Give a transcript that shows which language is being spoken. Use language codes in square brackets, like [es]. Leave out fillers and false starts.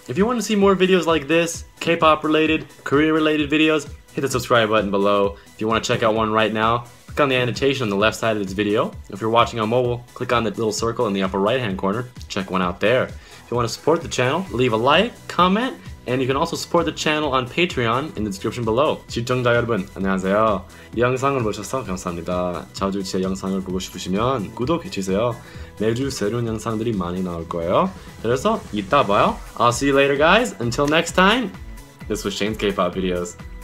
[en] If you want to see more videos like this, K-pop related, career related videos, hit the subscribe button below. If you want to check out one right now, click on the annotation on the left side of this video. If you're watching on mobile, click on the little circle in the upper right hand corner to check one out there. If you want to support the channel, leave a like, comment, and you can also support the channel on Patreon in the description below. [ko] 시청자 여러분, 안녕하세요. 이 영상을 보셔서 감사합니다. 자주 제 영상을 보고 싶으시면 구독해주세요. 매주 새로운 영상들이 많이 나올 거예요. 그래서 이따 봐요. [en] I'll see you later, guys. Until next time, this was Shane's K-pop videos.